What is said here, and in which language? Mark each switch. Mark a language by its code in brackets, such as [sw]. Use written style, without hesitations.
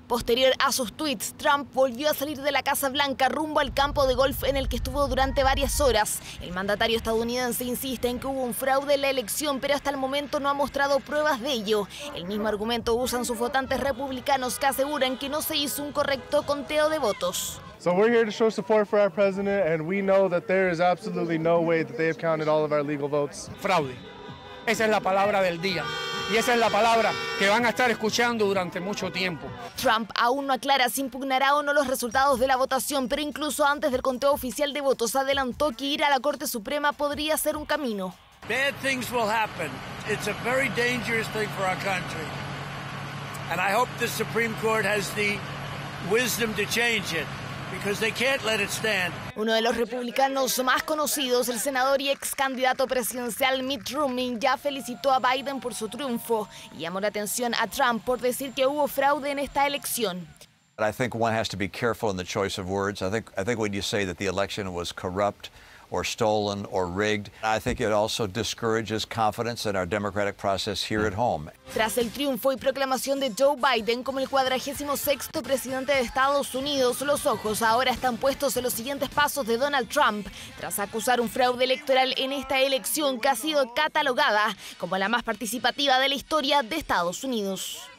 [es] Posterior a sus tweets, Trump volvió a salir de la Casa Blanca rumbo al campo de golf en el que estuvo durante varias horas. El mandatario estadounidense insiste en que hubo un fraude en la elección, pero hasta el momento no ha mostrado pruebas de ello. El mismo argumento usan sus votantes republicanos, que aseguran que no se hizo un correcto conteo de votos. [en] So we're here to show support for our president and we know that there is absolutely no way that they have counted all of our legal votes. [es] Fraude. Esa es la palabra del día. Y esa es la palabra que van a estar escuchando durante mucho tiempo. Trump aún no aclara si impugnará o no los resultados de la votación, pero incluso antes del conteo oficial de votos adelantó que ir a la Corte Suprema podría ser un camino. [en] Bad things will happen. It's a very dangerous thing for our country. And I hope the Supreme Court has the wisdom to change it, because they can't let it stand. [es] Uno de los republicanos más conocidos, el senador y ex candidato presidencial Mitt Romney, ya felicitó a Biden por su triunfo y llamó la atención a Trump por decir que hubo fraude en esta elección. [en] I think one has to be careful in the choice of words. I think when you say that the election was corrupt or stolen or rigged, I think it also discourages confidence in our democratic process here at home. [es] Tras el triunfo y proclamación de Joe Biden como el 46º presidente de Estados Unidos, los ojos ahora están puestos en los siguientes pasos de Donald Trump, tras acusar un fraude electoral en esta elección que ha sido catalogada como la más participativa de la historia de Estados Unidos.